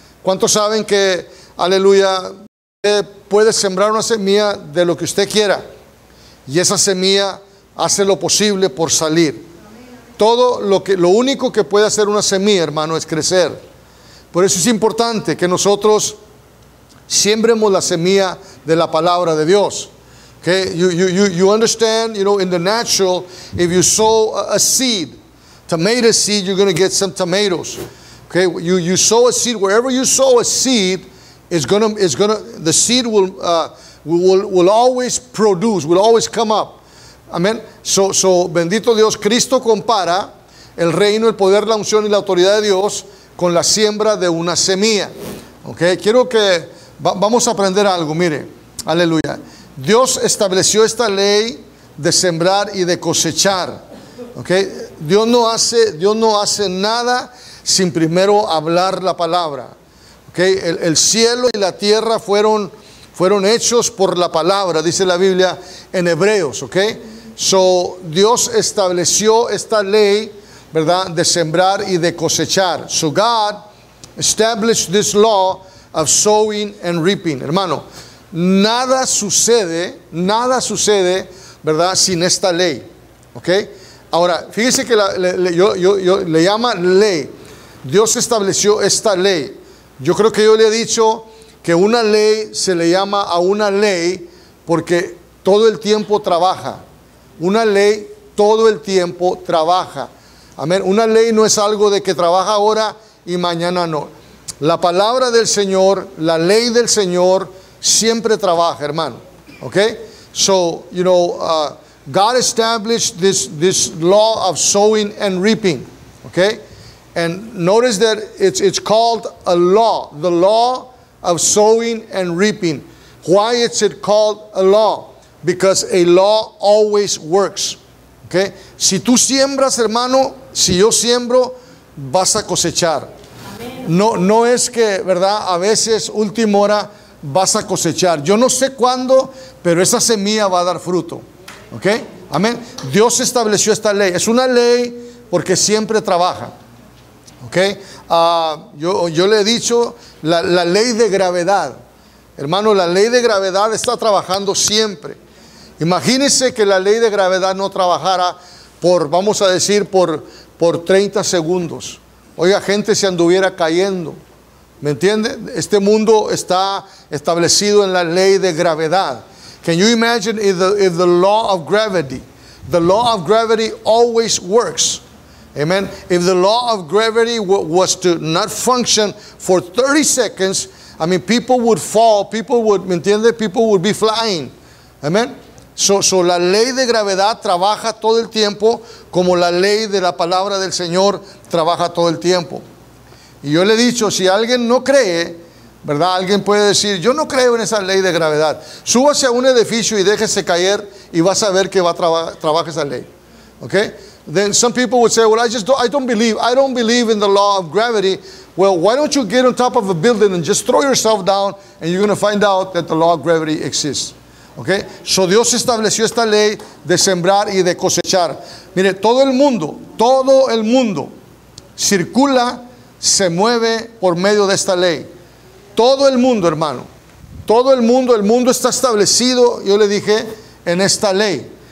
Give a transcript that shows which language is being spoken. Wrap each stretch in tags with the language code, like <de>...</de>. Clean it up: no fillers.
<es>¿Cuántos saben que, aleluya, puede sembrar una semilla de lo que usted quiera? Y esa semilla hace lo posible por salir. Todo lo único que puede hacer una semilla, hermano, es crecer. Por eso es importante que nosotros siembremos la semilla de la palabra de Dios.</es> <en>Okay, you understand, you know, in the natural, if you sow a seed, tomato seed, you're going to get some tomatoes. Okay, you sow a seed, wherever you sow a seed, the seed will always produce, will always come up. Amen.</en> <es>So bendito Dios, Cristo compara el reino, el poder, la unción y la autoridad de Dios con la siembra de una semilla. Okay, quiero que vamos a aprender algo, mire, aleluya. Dios estableció esta ley de sembrar y de cosechar, ¿ok? Dios no hace nada sin primero hablar la palabra, ¿ok? El cielo y la tierra fueron hechos por la palabra, dice la Biblia en Hebreos, ¿ok? So, Dios estableció esta ley, ¿verdad?, de sembrar y de cosechar.</es> <en>So, God established this law of sowing and reaping.</en> <es>Hermano, nada sucede, ¿verdad?, sin esta ley. ¿Ok? Ahora, fíjese que yo le llama ley. Dios estableció esta ley. Yo creo que yo le he dicho que una ley se le llama a una ley porque todo el tiempo trabaja. Una ley todo el tiempo trabaja. Amén. Una ley no es algo de que trabaja ahora y mañana no. La palabra del Señor, la ley del Señor, siempre trabaja, hermano. ¿Ok?</es> <en>So, you know, God established this law of sowing and reaping. ¿Ok? And notice that it's called a law. The law of sowing and reaping. Why is it called a law? Because a law always works. ¿Ok?</en> <es>Si tú siembras, hermano, si yo siembro, vas a cosechar. No es que, ¿verdad?, a veces, última hora, vas a cosechar. Yo no sé cuándo, pero esa semilla va a dar fruto. ¿Ok? Amén. Dios estableció esta ley. Es una ley porque siempre trabaja. Ok. Yo le he dicho la ley de gravedad. Hermano, la ley de gravedad está trabajando siempre. Imagínense que la ley de gravedad no trabajara por 30 segundos. Oiga, gente se anduviera cayendo. ¿Me entiende? Este mundo está establecido en la ley de gravedad.</es> <en>Can you imagine if the law of gravity? The law of gravity always works. Amen. If the law of gravity was to not function for 30 seconds, I mean, people would fall. People would,</en> <es>¿me entiende?</es> <en>People would be flying. Amen.</en> <es>So la ley de gravedad trabaja todo el tiempo como la ley de la palabra del Señor trabaja todo el tiempo. Y yo le he dicho, si alguien no cree, ¿verdad? Alguien puede decir, yo no creo en esa ley de gravedad. Súbase a un edificio y déjese caer y vas a ver que va a trabaja esa ley. ¿Ok?</es> <en>Then some people would say, well, I don't believe in the law of gravity. Well, why don't you get on top of a building and just throw yourself down and you're going to find out that the law of gravity exists. ¿Ok?</en> <es>So Dios estableció esta ley de sembrar y de cosechar. Mire, todo el mundo circula, se mueve por medio de esta ley. Todo el mundo, hermano, todo el mundo está establecido, yo le dije, en esta ley.</es>